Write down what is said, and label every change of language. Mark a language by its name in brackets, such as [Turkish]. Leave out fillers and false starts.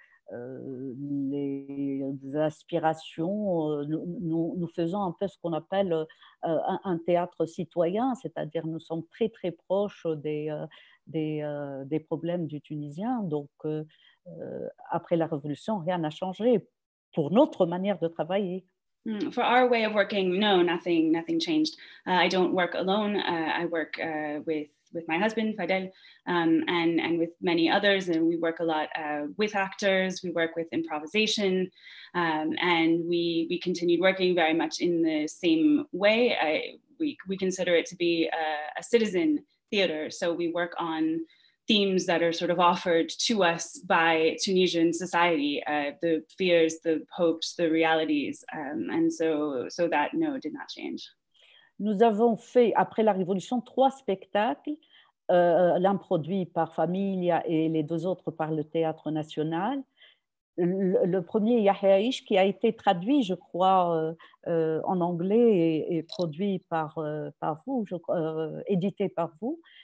[French] les aspirations, nous faisons un peu ce qu'on appelle un théâtre citoyen, c'est-à-dire nous sommes très très proches des problèmes du Tunisien, donc après la révolution, rien n'a changé pour notre manière de travailler. [English] For our way of working, no, nothing changed. I don't work alone. I work with my husband Fadel and with many others, and we work a lot with actors. We work with improvisation, and we continued working very much in the same way. We consider it to be a citizen theater, so we work on themes that are sort of offered to us by Tunisian society, the fears, the hopes, the realities, and so that no did not change. [French] Nous avons fait après la révolution trois spectacles, l'un produit par Familia et les deux autres par le Théâtre National. Le premier, Yahya Ish, qui a été traduit, je crois, en anglais et produit par vous, édité par vous.